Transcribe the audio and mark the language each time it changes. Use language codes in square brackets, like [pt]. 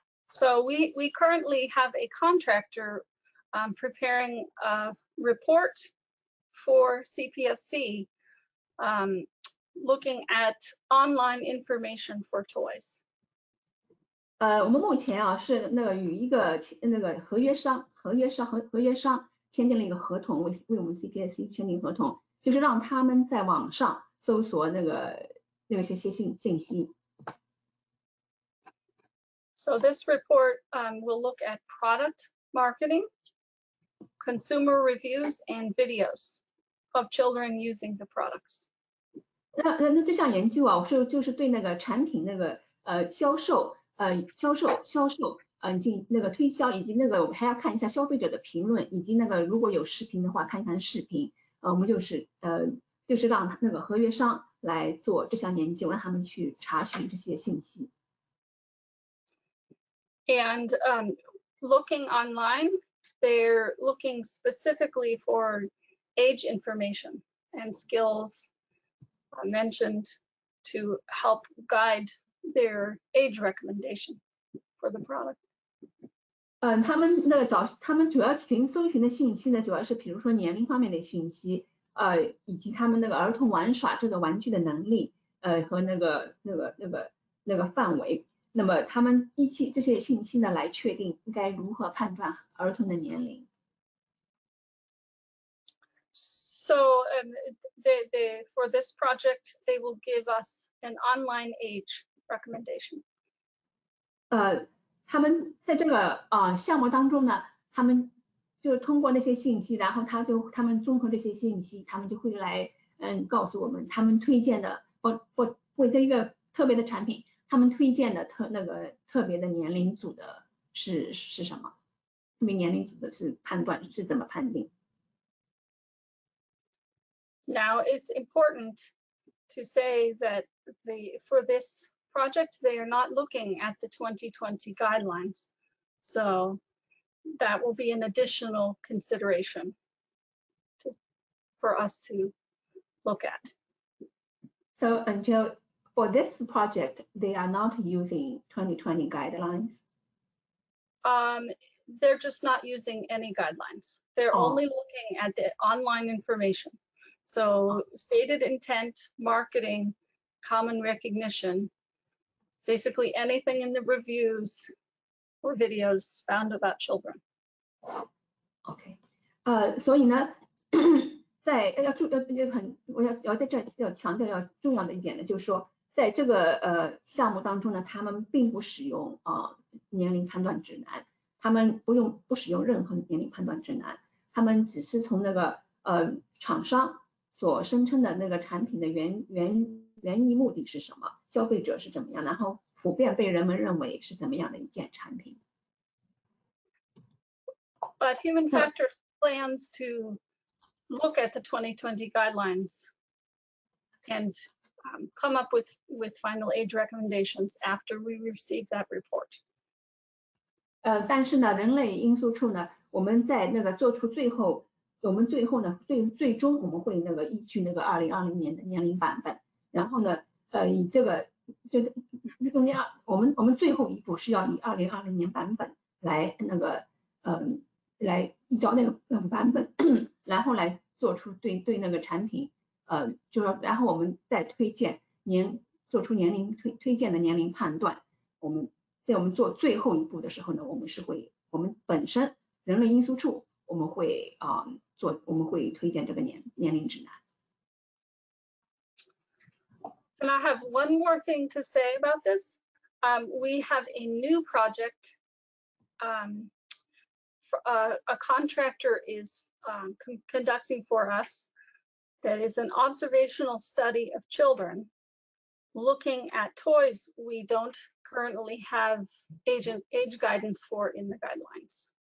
[en] So we currently have a contractor preparing a report for CPSC looking at online information for toys. [zh] 我们目前啊是那个与一个那个合约商。合约商签订了一个合同，为我们 CPSC 签订合同，就是让他们在网上搜索那个些信息。 [en] So this report will look at product marketing, consumer reviews, and videos of children using the products. [zh] 那这项研究啊，就是对那个产品那个销售。那个推销以及那个我们还要看一下消费者的评论以及那个如果有视频的话看一看视频我们就是让那个合约商来做这项研究让他们去查询这些信息 [en] And looking online they're looking specifically for age information and skills mentioned to help guide their age recommendation for the product [zh] 他们主要搜寻的信息呢，主要是比如说年龄方面的信息，以及他们那个儿童玩耍这个玩具的能力，和那个范围。那么他们依据这些信息呢，来确定该如何判断儿童的年龄。 [en] So, they for this project, they will give us an online age recommendation. [zh] 他们在这个项目当中呢，他们就通过那些信息，然后他们综合这些信息，他们就会来告诉我们他们推荐的不为这一个特别的产品，他们推荐的特别的年龄组的是什么？特别年龄组的是判断是怎么判定 [en] ？Now it's important to say that for this. Project, they are not looking at the 2020 guidelines, so that will be an additional consideration for us to look at. So, until for this project, they are not using 2020 guidelines? They're just not using any guidelines. They're only looking at the online information. So, stated intent, marketing, common recognition. Basically anything in the reviews or videos found about children. Okay. [zh] 所以呢，在要注要很，我要在这要强调要重要的一点呢，就是说，在这个项目当中呢，他们并不使用年龄判断指南，他们不使用任何年龄判断指南，他们只是从那个厂商所声称的那个产品的原意目的是什么？消费者是怎么样？然后普遍被人们认为是怎么样的一件产品 [en] ？But Human Factors plans to look at the 2020 guidelines and come up with final age recommendations after we receive that report. [zh] 但是呢，人类因素处呢，我们在那个做出最后，我们最后呢，最终我们会那个依据那个2020年的年龄版本。然后呢，以这个就中间我们最后一步是要以2020年版本来那个来依照那个版本，然后来做出对那个产品就是然后我们再推荐做出年龄推荐的年龄判断。我们在我们做最后一步的时候呢，我们本身人类因素处我们会我们会推荐这个年龄指南。 [en] And I have one more thing to say about this. We have a new project. A contractor is conducting for us that is an observational study of children looking at toys we don't currently have age guidance for in the guidelines.